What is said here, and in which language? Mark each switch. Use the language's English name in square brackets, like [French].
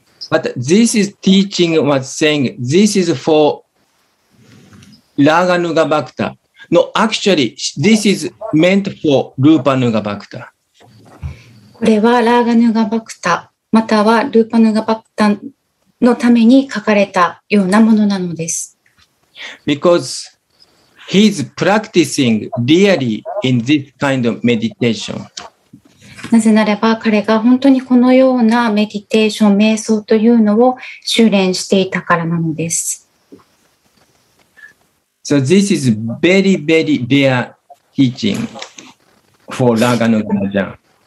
[English] But this is teaching was saying, this is for Raga Nuga Bhakta. No, actually, this is meant for Rupa Nuga Bhakta. [Japanese] これはラーガヌガバクタまたはルーパヌガバクタのために書かれたようなものなのです。 [English] Because he is practicing really in this kind of meditation. [Japanese] なぜならば彼が本当にこのようなメディテーション、瞑想というのを修練していたからなのです。 [English] So this is very very rare teaching for ラーガヌガバジャン。